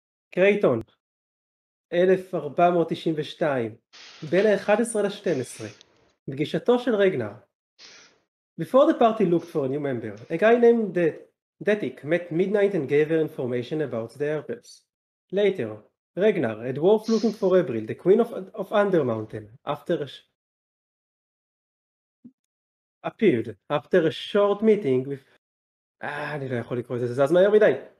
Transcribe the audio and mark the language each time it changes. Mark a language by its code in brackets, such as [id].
[he] קרייטון, 1492, בין ה-11 ל-12, פגישתו של רגנר. [en] Before the party looked for a new member, a guy named Detik met Midnight and gave her information about the Herpes. Later, Regnar, a dwarf looking for Ebril, the queen of Undermountain, appeared after a short meeting with... [he] אני לא יכול לקרוא את זה, זה זז מהר מדי.